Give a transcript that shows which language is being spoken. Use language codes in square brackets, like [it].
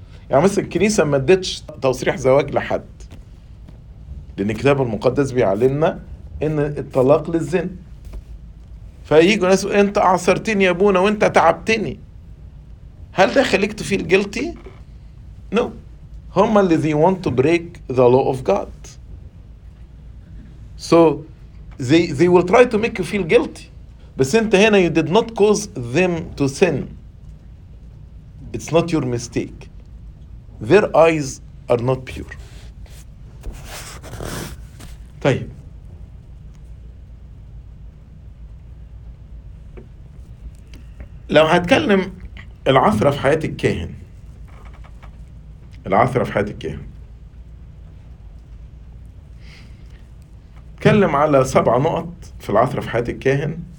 [ar] يعني مثلا الكنيسة ما ادتش تصريح زواج لحد, لأن الكتاب المقدس بيعلمنا أن الطلاق للزن. فييجوا ناس أنت أعثرتني يا أبونا وأنت تعبتني, هل ده خليك [en] تفيل جلتي؟ نو. [ar] هما اللي [en] they want to break the law of God, so they will try to make you feel guilty. [ar] بس انت هنا [en] you did not cause them to sin, it's not your mistake, their eyes are not pure. [ar] طيب لو هتكلم العثرة في حياة الكاهن, العثرة في حياة الكاهن, تكلم على 7 نقط في العثرة في حياة الكاهن.